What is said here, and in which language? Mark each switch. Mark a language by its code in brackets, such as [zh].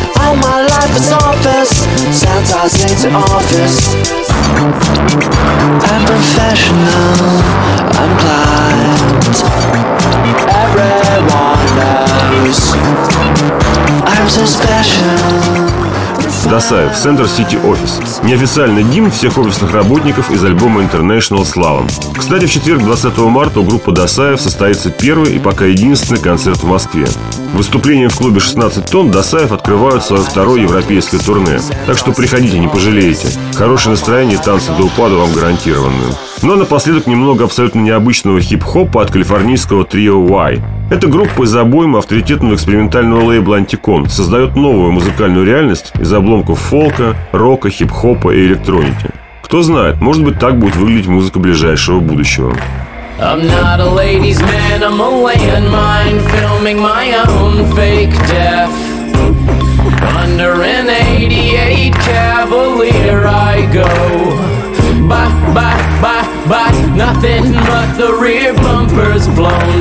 [en] All my life is office, Santa City office. I'm professional, I'm blind. Everyone knows I'm so special. [ru] Досаев, Center City Office. Неофициальный гимн всех офисных работников из альбома International Slalom. Кстати, в четверг, 20 марта, у группы Досаев состоится первый и пока единственный концерт в Москве. Выступлением в клубе 16 тонн Досаев открывают свое второе европейское турне. Так что приходите, не пожалеете. Хорошее настроение и танцы до упаду вам гарантированы. Ну а напоследок немного абсолютно необычного хип-хопа от калифорнийского трио Y. Эта группа из обоймы авторитетного экспериментального лейбла Antikon создает новую музыкальную реальность из обломков фолка, рока, хип-хопа и электроники. Кто знает, может быть, так будет выглядеть музыка ближайшего будущего. [en] I'm not a ladies man, I'm a landmine, filming my own fake death. Under an 88 Cavalier I go. Bye, nothing but the rear bumper's blown.